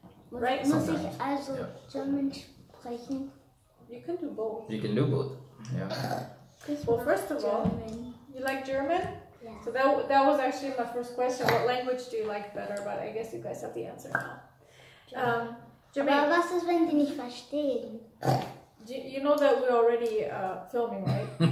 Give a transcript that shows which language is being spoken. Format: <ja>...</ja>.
<en>Right?</en> <de>Muss ich also German sprechen?</de> <en>You can do both. You can do both, yeah. Well, first of all, you like German? Yeah. So that was actually my first question. What language do you like better? But I guess you guys have the answer now. Jermaine.</en> <de>Aber was ist, wenn die nicht verstehen?</de> <en>You know that we're already filming, right?</en>